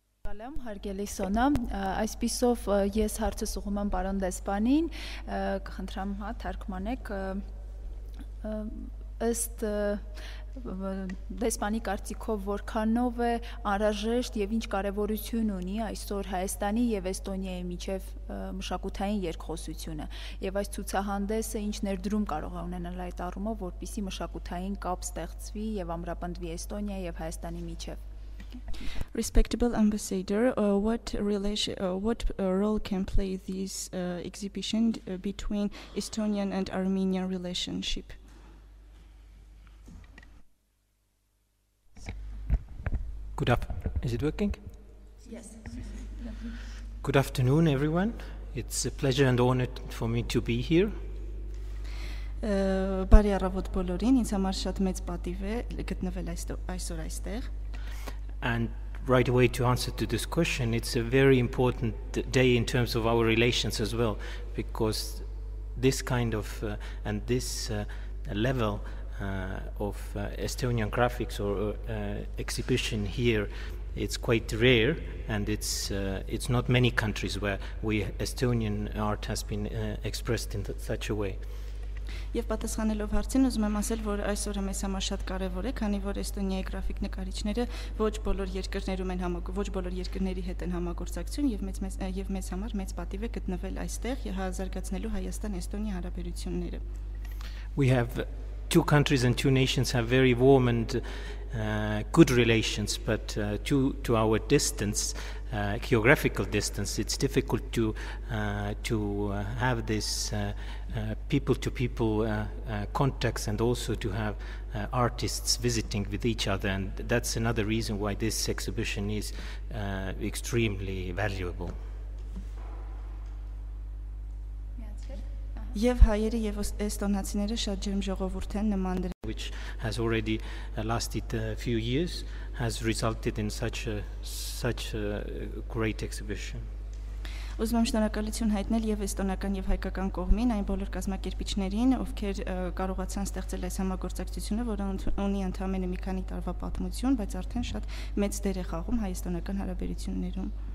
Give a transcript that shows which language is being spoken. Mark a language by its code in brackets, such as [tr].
[hy] Հալեմ, հարգելի Սոնա, այսպիսով ես հարցս ուղում եմ պարոն Դեսպանին, կխնդրեմ, հա, թարգմանեք ըստ Դեսպանի կարծիքով, որքանով է անհրաժեշտ եւ ինչ կարեւորություն ունի այսօր Հայաստանի եւ Էստոնիայի միջև մշակութային երկխոսությունը, եւ այս ցուցահանդեսը ինչ ներդրում կարող է ունենալ այդ առումով, որպիսի մշակութային կապ ստեղծվի եւ ամրապնդվի Էստոնիա եւ Հայաստանի միջև. [en] Respectable ambassador, what role can play this exhibition between Estonian and Armenian relationship? Good up. Is it working? Yes. Good afternoon, everyone. It's a pleasure and honor for me to be here. [hy] Բարի առավոտ բոլորին. Ինձ համար շատ մեծ պատիվ է գտնվել այսօր այստեղ. [en] And right away to answer to this question, it's a very important day in terms of our relations as well, because this kind of and this level of Estonian graphics or exhibition here, it's quite rare, and it's not many countries where we Estonian art has been expressed in such a way. [hy] Եվ պատասխանելով հարցին, ուզում եմ ասել, որ այսօրը մեզ համար շատ կարևոր է, քանի որ Էստոնիայի գրաֆիկ նկարիչները ոչ բոլոր երկրների հետ են համագործակցում, եւ մեզ համար մեծ պատիվ է գտնվել այստեղ եւ զարգացնելու Հայաստան-Էստոնիա հարաբերությունները. [en] We have two countries and two nations have very warm and good relations, but to our distance, geographical distance, it's difficult to have this people-to-people contacts, and also to have artists visiting with each other, and that's another reason why this exhibition is extremely valuable. [hy] Եվ հայերը եւ էստոնացիները շատ ջերմ ժողովուրդ են նման դրա [en] which has already lasted a few years has resulted in such a great exhibition. [hy] Ուզում եմ շնորհակալություն հայտնել եւ էստոնական եւ հայկական կողմին, այն բոլոր կազմակերպիչներին, ովքեր կարողացան ստեղծել այս համագործակցությունը, որը ունի ընդամենը մի քանի տարվա պատմություն, բայց արդեն շատ մեծ դեր է խաղում հայ-էստոնական հարաբերություններում.